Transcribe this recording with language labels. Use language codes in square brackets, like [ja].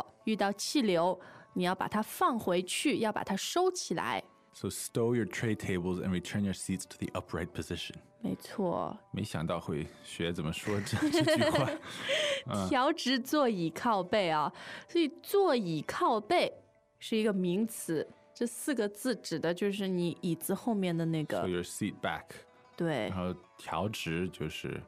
[zh] 收起小桌板，这个就是每个飞机的椅子后面有一块板，吃饭的时候啊，你就把它放下来，对吧？可是遇到颠簸，遇到气流，你要把它放回去，要把它收起来。 [en] So stow your tray tables and return your seats to the upright position. [zh] 没错，没想到会学怎么说 这句话、调直座椅靠背啊，所以座椅靠背是一个名词，这四个字指的就是你椅子后面的那个 [en] so your seat back。 [zh] 对，然后调直就是